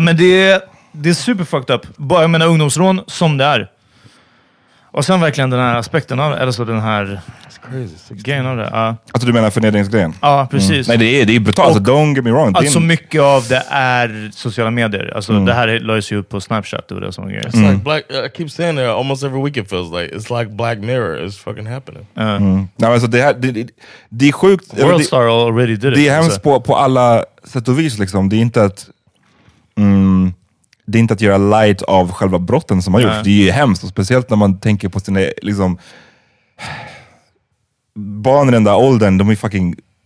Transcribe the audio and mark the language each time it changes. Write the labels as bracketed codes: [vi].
[sv] Men det är [en] super fucked up. [sv] Bara jag menar ungdomsrån som det är. Och sen verkligen den här aspekten av, eller så den här grejen av det. Alltså du menar förnedringsgrejen? Ja, precis. Nej, det är brutalt. Och, [en] don't get me wrong. [sv] Alltså mycket av det är sociala medier. Alltså det här lades ju upp på Snapchat och det sånt grejer. [en] It's like black, I keep saying that almost every week it feels like. It's like Black Mirror is fucking happening. [sv] Nej, alltså det här, det är sjukt. [en] Worldstar already did it. [sv] Det är hemskt på alla sätt och vis liksom. Det är inte att... det är inte att göra [en] light [sv] av själva brotten som har gjorts. Det är ju hemskt, och speciellt när man tänker på sina liksom barn i den där åldern, de är fucking